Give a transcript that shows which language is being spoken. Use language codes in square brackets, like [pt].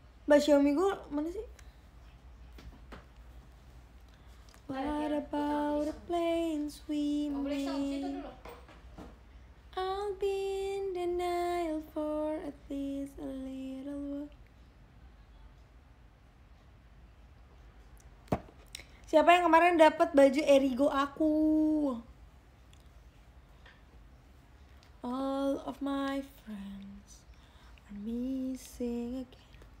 [id] Mbak Xiaomi gue mana sih? [en] What about the planes we made? I'll be in denial for at least a little while. [id] Siapa yang kemarin dapat baju Erigo aku? [en] All of my friends are missing again.